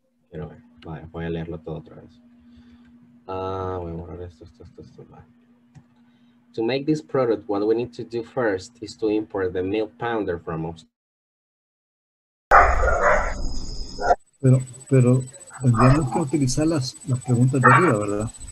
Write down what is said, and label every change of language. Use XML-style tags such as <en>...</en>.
<es>Pero vale, voy a leerlo todo otra vez. Voy a borrar esto.</es> <en>To make this product, what we need to do first is to import the milk powder from Australia.</en> <es>Pero tendríamos que utilizar las preguntas de arriba, ¿verdad?</es>